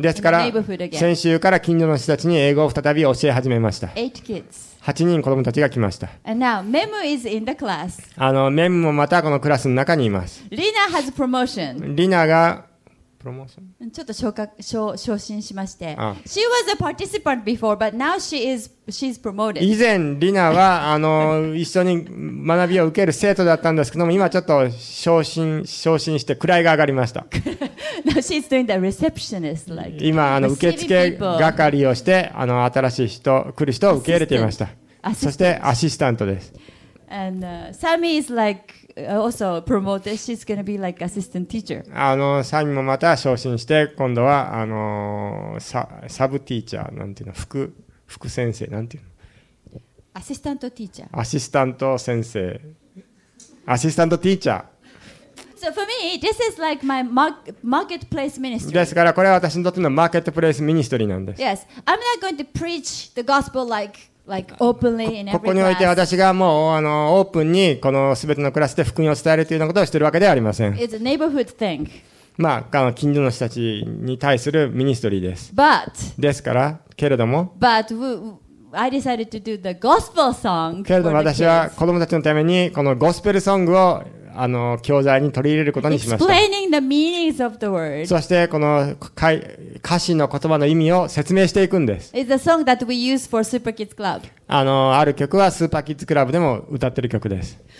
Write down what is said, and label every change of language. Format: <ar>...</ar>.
<ja>ですから、先週から近所の人たちに英語を再び教え始めました。</ja> <en>Eight kids.</en> <ja>8人子供たちが来ました。</ja> <en>And now, Memu is in the class.</en> <ja>あの、メムもまたこのクラスの中にいます。</ja> <en>Lina has promotion.</en> <ja>Lina が、プロモーション? ちょっと昇進しまして。</ja> <en>She was a participant before, but now she's promoted.</en> <ja>以前、Lina は、あの、一緒に学びを受ける生徒だったんですけども、今ちょっと昇進して位が上がりました。</ja> <en>Now she's doing the receptionist, like,</en> <ja>今あの受付係をしてあの新しい人来る人を受け入れていました。そしてアシスタントです。</ja> <en>And, Sammy is like, also promoted. She's gonna be like assistant teacher.</en> <ja>あのサミもまた昇進して今度はあのサブティーチャーなんていうの副先生なんていうの。アシスタントティーチャー。アシスタント先生。アシスタントティーチャー。</ja> <en>So for me, this is like my marketplace ministry.</en> <ja>ですからこれは私にとってのマーケットプレイスミニストリーなんです。</ja> <en>Yes, I'm not going to preach the gospel like openly in every class.</en> <ja>ここにおいて私がもうあのオープンにこのすべてのクラスで福音を伝えるというようなことをしているわけではありません。</ja> <en>It's a neighborhood thing.</en> <ja>まあ近所の人たちに対するミニストリーです。</ja> <en>But</en> <ja>ですからけれども。</ja> <en>But I decided to do the gospel song.</en> <ja>けれども私は子供たちのためにこのゴスペルソングをあの教材に取り入れることにしました。</ja> <en>Explaining the meanings of the word.</en> <ja>そしてこの歌詞の言葉の意味を説明していくんです。</ja> <en>It's a song that we use for Super Kids Club.</en> <ja>あのある曲はスーパーキッズクラブでも歌ってる曲です。</ja>